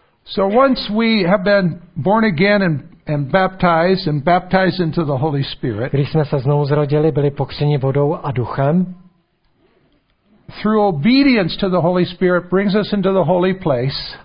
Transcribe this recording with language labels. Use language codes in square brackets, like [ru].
[en] So once we have been born again and baptized into the Holy Spirit, [cs] když jsme se znovu zrodili, byli pokřtěni vodou a duchem, [en] through obedience to the Holy Spirit brings us into the holy place.